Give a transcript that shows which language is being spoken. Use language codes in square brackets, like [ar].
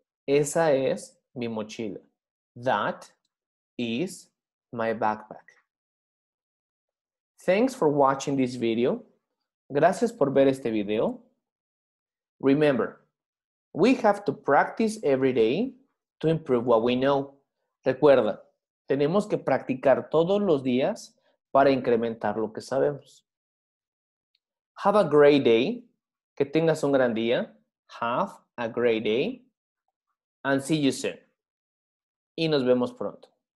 [es] Esa es mi mochila. [en] That is my backpack. Thanks for watching this video. [es] Gracias por ver este video. [en] Remember, we have to practice every day to improve what we know. [es] Recuerda, tenemos que practicar todos los días para incrementar lo que sabemos. [en] Have a great day. [es] Que tengas un gran día. [en] Have a great day. And see you soon. [es] Y nos vemos pronto.